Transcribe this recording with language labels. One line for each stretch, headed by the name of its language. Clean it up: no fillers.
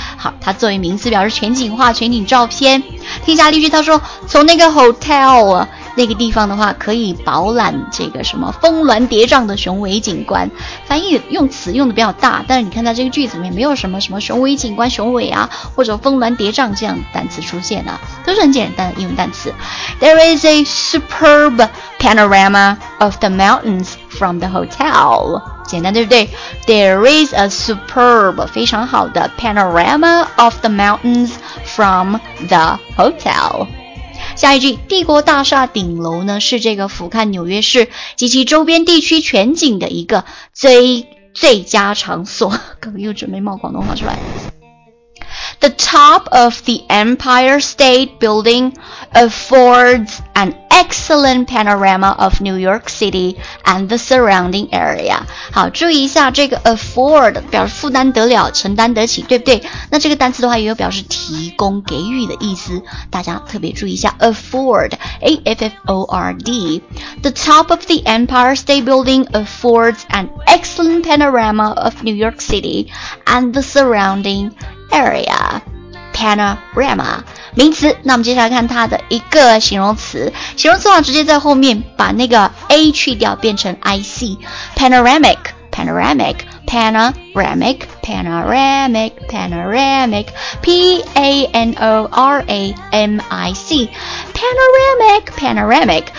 Chinese: 好，它作为名词表示全景画、全景照片。听下例句，他说从那个 hotel 啊那个地方的话，可以饱览这个什么峰峦叠嶂的雄伟景观。翻译用词用的比较大，但是你看它这个句子里面没有什么什么雄伟景观、雄伟啊，或者峰峦叠嶂这样的单词出现呢、啊，都是很简单的英文单词。
English: There is a superb panorama of the mountains from the hotel。简单对不对？There is a superb 非常好的 panorama of the mountains from the hotel。
Chinese: 下一句，帝国大厦顶楼呢，是这个俯瞰纽约市及其周边地区全景的一个最佳场所。刚又准备冒广东话出来。
English: The top of the Empire State Building affords an excellent panorama of New York City and the surrounding area.
Chinese: 好，注意一下这个 afford 表示负担得了、承担得起，对不对？那这个单词的话也有表示提供、给予的意思，大家特别注意一下 afford, A-F-F-O-R-D.
English: The top of the Empire State Building affords an excellent panorama of New York City and the surrounding area.
Chinese: Panorama 名词，那我们接下来看它的一个形容词。形容词啊，直接在后面把那个 a 去掉，变成 ic。
English: Panoramic, panoramic, panoramic, panoramic, panoramic, p a n o r a m i c, panoramic, panoramic。